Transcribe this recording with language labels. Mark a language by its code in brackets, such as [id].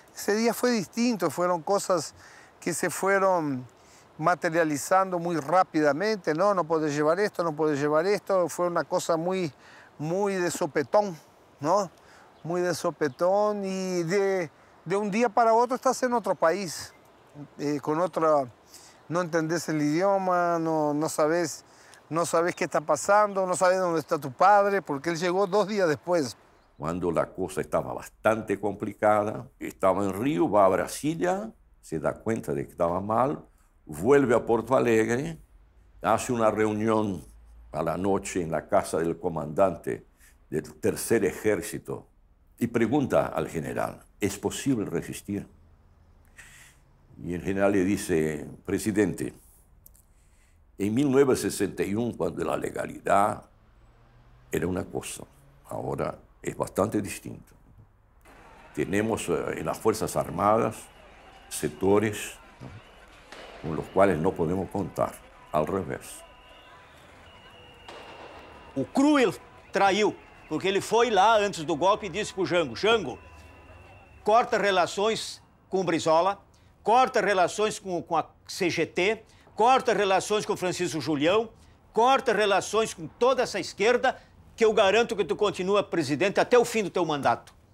[pt] Esse dia foi distinto, foram coisas que se foram materializando muito rapidamente. Não, não pode levar isto, não pode levar isto. Foi uma coisa muito de sopetão, não? Muito de sopetão e de um dia para outro estás em outro país, com outra... [es] No entendés el idioma, no sabés qué está pasando, no sabés dónde está tu padre, porque él llegó dos días después. Cuando la cosa estaba bastante complicada, estaba en Río, va a Brasilia, se da cuenta de que estaba mal, vuelve a Porto Alegre, hace una reunión a la noche en la casa del comandante del Tercer Ejército y pregunta al general, ¿es posible resistir? Y el general le dice, presidente, en 1961, cuando la legalidad era una cosa, ahora es bastante distinto. Tenemos en las Fuerzas Armadas sectores con los cuales no podemos contar, al revés. [pt] O Cruel traiu, porque ele foi lá antes do golpe e disse pro Jango, Jango, corta relações com Brizola, corta relações com a CGT, corta relações com Francisco Julião, corta relações com toda essa esquerda, que eu garanto que tu continua presidente até o fim do teu mandato.